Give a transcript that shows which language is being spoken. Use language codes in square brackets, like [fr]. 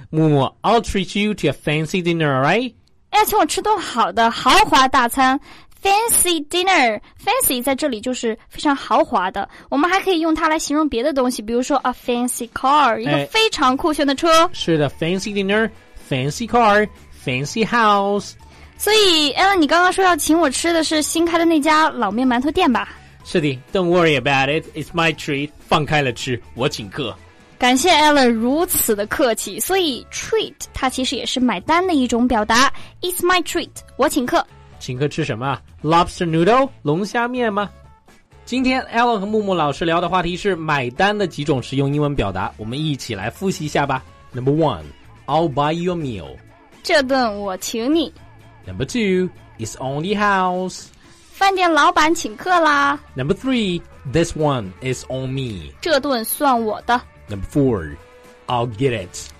[en] 木木， I'll treat you to a fancy dinner, right? [zh] 哎，请我吃顿好的豪华大餐。Fancy dinner, fancy 在这里就是非常豪华的，我们还可以用它来形容别的东西，比如说 a fancy car, 一个非常酷炫的车。哎，是的， [en] fancy dinner, fancy car, fancy house。 [zh] 所以 Alan, 你刚刚说要请我吃的是新开的那家老面馒头店吧？是的， [en] Don't worry about it, it's my treat, [zh] 放开了吃，我请客。感谢 Alan 如此的客气。所以 treat 它其实也是买单的一种表达， [en] It's my treat, [zh] 我请客。请客吃什么？ Lobster noodle, 龙虾面吗？今天 Alan 和木木老师聊的话题是买单的几种实用英文表达，我们一起来复习一下吧。 [en] Number one, I'll buy your meal, [zh] 这顿我请你。 [en] Number two, it's on the house. [zh] 饭店老板请客啦。 [en] Number three, this one is on me. [zh] 这顿算我的。 [en] Number four, I'll get it.